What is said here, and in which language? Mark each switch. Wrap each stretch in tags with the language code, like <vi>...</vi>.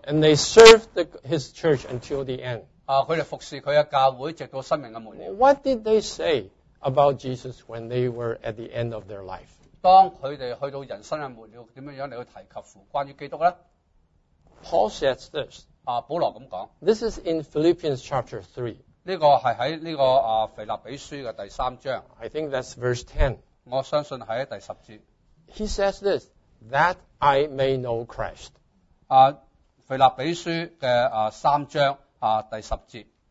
<en>And they serve his church until the end。</en> <yue>啊，佢哋服侍佢嘅教会直到生命嘅末了。</yue> <en>What did they say about Jesus when they were at the end of their life？</en> <yue>当佢哋去到人生嘅末了，点样嚟去提及乎关于基督咧？</yue> <en>Paul says this.</en> <yue>啊，保罗咁讲。</yue> <en>This is in Philippians chapter 3.</en> <yue>呢个系喺呢个啊腓立比书嘅第三章。</yue> <en>I think that's verse 10.</en> <yue>我相信系喺第十节。</yue> <en>He says this, that I may know Christ.</en> <yue>啊，腓立比书嘅啊三章啊第十节。</yue>